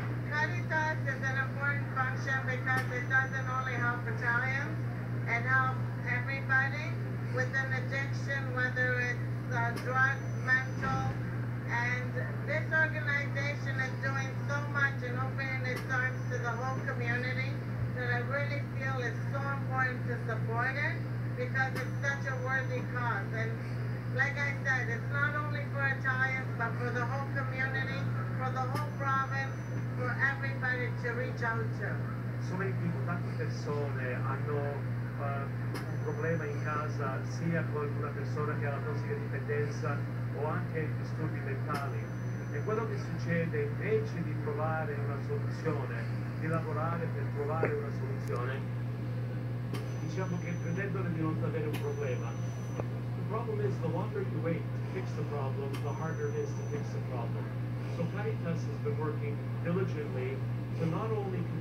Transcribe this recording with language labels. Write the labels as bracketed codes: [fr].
[en] Caritas is an important function because it doesn't only help Italians, it helps everybody with an addiction, whether it's drug, mental, and this organization is doing so much and opening its arms to the whole community that I really feel it's so important to support it because it's such a worthy cause. And like I said, it's not only for Italians, but for the whole community, for the whole province, for everybody to reach out to. So many people, [it] tante persone hanno un problema in casa, sia con una persona che ha la tossicodipendenza o anche disturbi mentali. E quello che succede, invece di trovare una soluzione, di lavorare per trovare una soluzione, diciamo che pretendono di non avere un problema. [en] The problem is, the longer you wait to fix the problem, the harder it is to fix the problem. So Caritas has been working diligently to not only